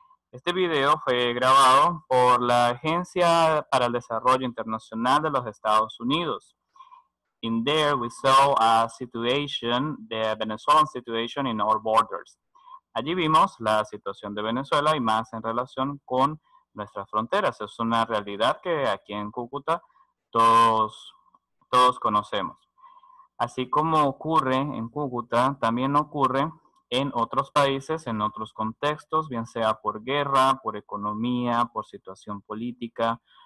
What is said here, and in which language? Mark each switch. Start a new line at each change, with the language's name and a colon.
Spanish: Este video fue grabado por la Agencia para el Desarrollo Internacional de los Estados Unidos.
English: In there, we saw a situation, the Venezuelan situation in our borders.
Spanish: Allí vimos la situación de Venezuela y más en relación con nuestras fronteras. Es una realidad que aquí en Cúcuta todos conocemos. Así como ocurre en Cúcuta, también ocurre en otros países, en otros contextos, bien sea por guerra, por economía, por situación política.